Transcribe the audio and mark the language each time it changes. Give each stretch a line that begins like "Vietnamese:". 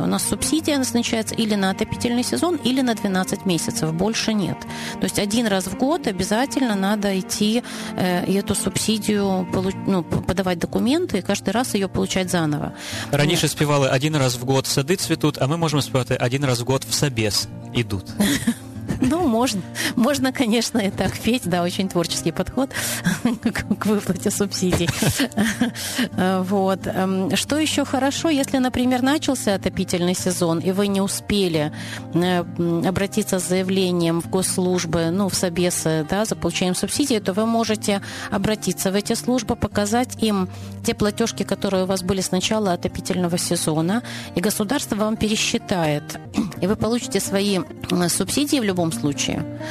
Russian: У нас субсидия назначается или на отопительный сезон, или на 12 месяцев, больше нет. То есть один раз в год обязательно надо идти и эту субсидию подавать документы, и каждый раз ее получать заново.
Ukrainian: Раніше співали
Russian: «один раз в год сады цветут»,
Ukrainian: а ми можемо співати
Russian: «один раз в год в собес идут». Ну, можно, конечно, и так петь, да, очень творческий подход к выплате субсидий. Вот. Что еще хорошо, если, например, начался отопительный сезон, и вы не успели обратиться с заявлением в госслужбы, в собесы, да, за получением субсидии, то вы можете обратиться в эти службы, показать им те платежки, которые у вас были с начала отопительного сезона, и государство вам пересчитает, и вы получите свои субсидии в любом случае.